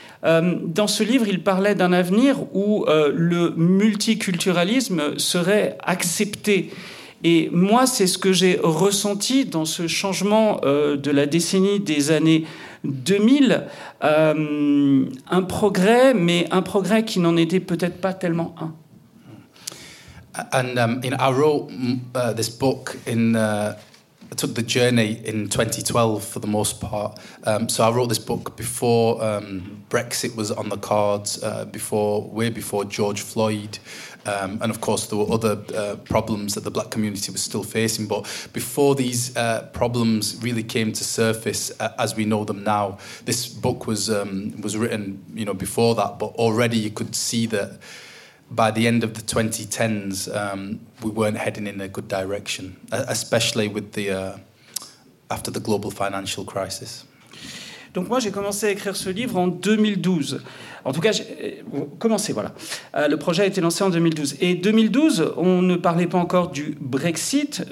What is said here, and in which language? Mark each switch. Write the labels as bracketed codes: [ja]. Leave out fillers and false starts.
[fr] Dans ce livre, il parlait d'un avenir où le multiculturalisme serait accepté. Et moi, c'est ce que j'ai ressenti dans ce changement de la décennie des années 2000, un progrès, mais un progrès qui n'en était peut-être pas tellement un. [en] And I wrote this book I took the journey in 2012 for the most part. So I wrote this book before Brexit was on the cards, way before George Floyd. And of course, there were other problems that the black community was still facing. But before these problems really came to surface as we know them now, this book was written, you know, before that. But already you could see that by the end of the 2010s, we weren't heading in a good direction, especially with the after the global financial crisis. [fr] Donc moi, j'ai commencé à écrire ce livre en 2012. En tout cas, voilà. Le projet a été lancé en 2012. Et 2012, on ne parlait pas encore du Brexit.